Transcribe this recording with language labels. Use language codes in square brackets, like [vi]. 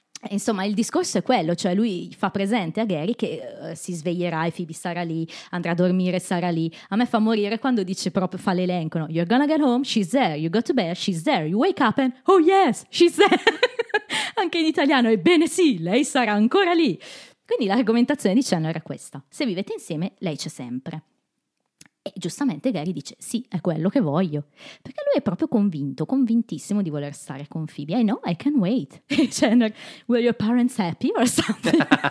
[it] Insomma, il discorso è quello, cioè lui fa presente a Gary che si sveglierà e Phoebe sarà lì, andrà a dormire, sarà lì. A me fa morire quando dice proprio, fa l'elenco, no? [en] You're gonna get home, she's there, you go to bed, she's there, you wake up and, oh yes, she's there. [it] Anche in italiano, ebbene sì, lei sarà ancora lì. Quindi l'argomentazione di Chandler era questa, se vivete insieme, lei c'è sempre. E giustamente Gary dice, sì, è quello che voglio. Perché lui è proprio convintissimo di voler stare con Phoebe. [en] I know, I can wait. Chandler, were your parents happy or something?